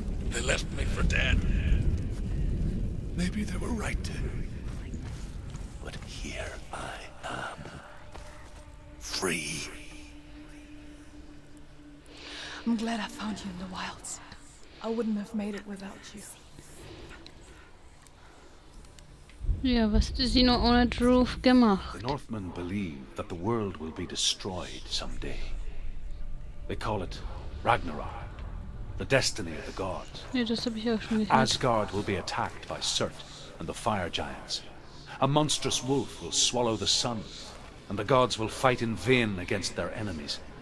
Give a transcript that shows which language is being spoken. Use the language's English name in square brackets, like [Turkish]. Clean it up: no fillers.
[English] They left me for dead. Maybe they were right. But here I am. Free. I'm glad I found you in the wilds. I wouldn't have made it without you. [German] Ja, was hat sie nur ohne Druf gemacht? [English] The Northmen believe that the world will be destroyed someday. They call it Ragnarok, the destiny of the gods. [German] Ja, das habe ich auch schon gesehen. [English] Asgard will be attacked by Surt and the fire giants. A monstrous wolf will swallow the sun, and the gods will fight in vain against their enemies.